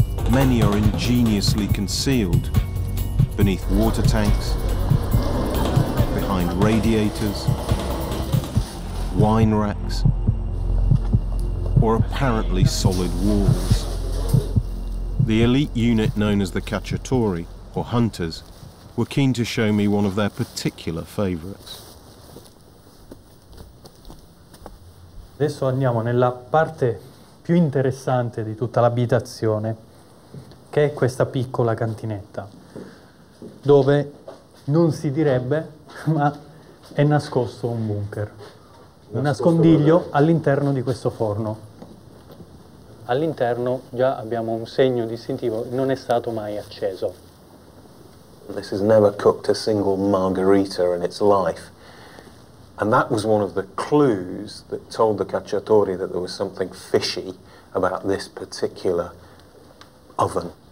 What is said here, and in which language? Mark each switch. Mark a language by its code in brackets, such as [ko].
[en] Many are ingeniously concealed beneath water tanks, behind radiators, wine racks, or apparently solid walls. The elite unit known as the cacciatori, or hunters, were keen to show me one of their particular favorites. [it] Adesso andiamo nella parte più interessante di tutta l'abitazione, che è questa piccola cantinetta, dove non si direbbe, ma è nascosto un bunker, un nascondiglio all'interno di questo forno. All'interno già abbiamo un segno distintivo, non è stato mai acceso. [en] This has never cooked a single margarita in its life. And that was one of the clues that told the cacciatori that there was something fishy about this particular oven.